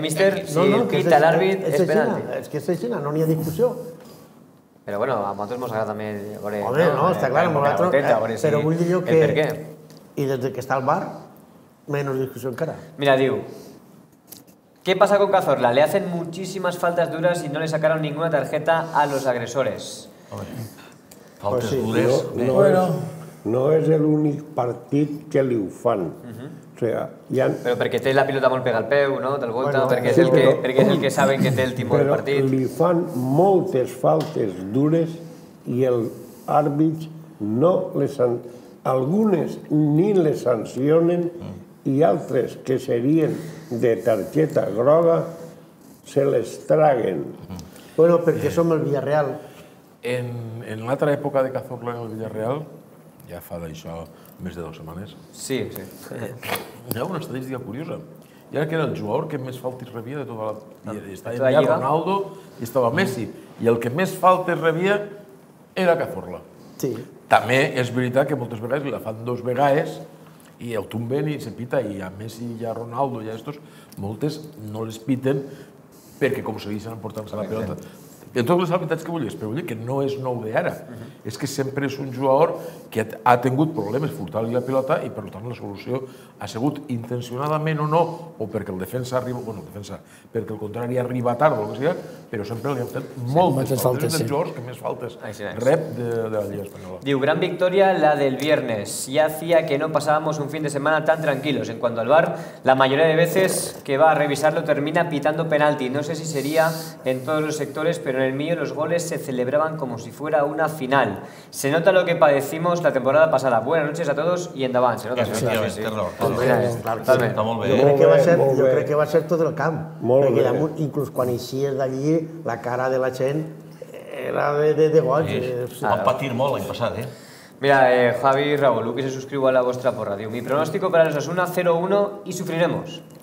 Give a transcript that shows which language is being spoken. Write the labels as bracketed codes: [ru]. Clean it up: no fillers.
[ca] Mr., si el pita l'àrbit, és penalti. És que és aixina, no n'hi ha discussió. Però bueno, a nosaltres ens agrada també... Home, no, està clar, a nosaltres... Però vull dir jo que... Per què? I des que està al bar, menys discussió encara. Mira, diu... [es] ¿Qué pasa con Cazorla? Le hacen muchísimas faltas duras y no le sacaron ninguna tarjeta a los agresores. [ca] Faltes dures... No és l'únic partit que li ho fan. Però perquè té la pilota molt pega al peu, no? Perquè és el que saben que té el timó del partit. Però li fan moltes faltes dures i l'àrbit no les sancionen. Algunes ni les sancionen i altres que serien de targeta groga se les traguen. Bueno, perquè som el Villarreal. En l'altra època de Cazorla en el Villarreal, ja fa d'això més de 2 setmanes, sí, hi ha una estadística curiosa. I ara que era el jugador que més faltes rebia de tota la... Estava allà Ronaldo i estava Messi. I el que més faltes rebia era Cazorla. Sí. També és veritat que moltes vegades la fan 2 vegades i el tomben i se pita, i a Messi i a Ronaldo i a estos, moltes no les piten perquè com se deixen emportant-se la pelota. En totes les habilitats que vulguis, però vull dir que no és nou d'ara. És que sempre és un jugador que ha tingut problemes furtant-li la pelota i per tant la solució ha sigut intencionadament o no, o perquè el defensa arriba, bueno, el defensa, perquè el contrari arriba tard o el que sigui, però sempre li han fet moltes faltes. És un dels jugadors que més faltes rep de la Lliga Espanyola. Diu, gran victòria la del viernes. [es] Ja hacía que no pasábamos un fin de semana tan tranquilos. En cuanto al VAR, la mayoría de veces que va a revisarlo termina pitando penalti. No sé si sería en todos los sectores, pero en el mío los goles se celebraban como si fuera una final. Se nota lo que padecimos la temporada pasada. Buenas noches a todos [ca] y endavant. [es] Se nota, sí, terror. [ca] Jo crec que va ser tot el camp, perquè inclús quan eixies d'allí la cara de la gent era de goig. Van patir molt l'any passat, eh? Mira, Javi i Raúl, que se suscriu a la vostra porra, diu, [es] mi pronòstico per a los Osasuna [ca] 0-1 i sufriremos.